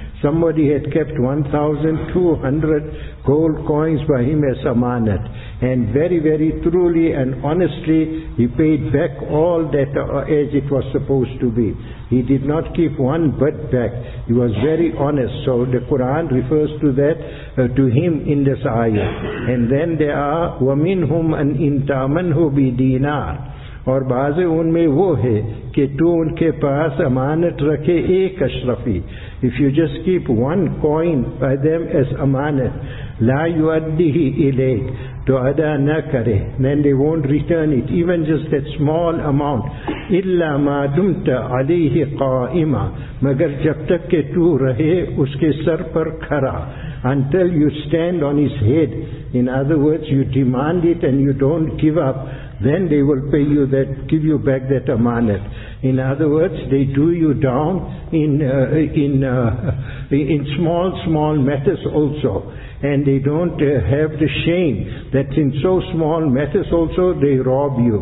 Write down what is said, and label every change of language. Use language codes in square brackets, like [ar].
[en] Somebody had kept 1,200 gold coins by him as amanat, and very, very truly and honestly, he paid back all that as it was supposed to be. He did not keep one bit back. He was very honest. So the Quran refers to that, to him in this ayah. And then there are, [ar] وَمِنْهُمْ أَنْ إِنْ تَعْمَنْهُ بِدِينَارِ. [ur] اور بعض ان میں وہ ہے کہ تو ان کے پاس امانت رکھے ایک اشرفی. [en] If you just keep one coin by them as امانت, [ar] لا یؤدیہ الیک, [ur] تو ادا نہ کرے, [en] then they won't return it, even just that small amount. [ar] الا ما دمت علیہ قائما, [ur] مگر جب تک کہ تو رہے اس کے سر پر کھڑا. [en] Until you stand on his head, in other words, you demand it and you don't give up, then they will pay you that, give you back that amanat. In other words, they do you down in small matters also, and they don't have the shame that in so small matters also they rob you.